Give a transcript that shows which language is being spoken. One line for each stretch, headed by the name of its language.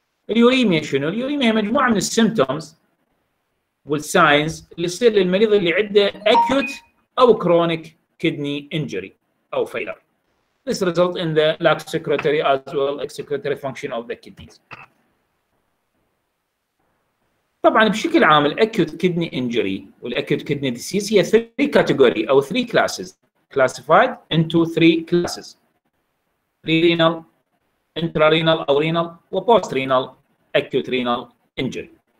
Arabic: اليوريميا شنو؟ اليوريميا مجموعة من السيمتومز والساينز اللي يصير للمريض اللي عنده acute أو chronic kidney injury أو failure.
English: This results in the lack secretory as well as excretory function of the kidneys.
Arabic: طبعا بشكل عام الاكيوت كيدني انجري والاكيوت كيدني ديزيز هي 3 كاتيجوري او 3 كلاسز, كلاسيفايد انتو 3 كلاسز, رينال, انترا رينال او رينال, وبوست رينال اكيوت رينال انجري.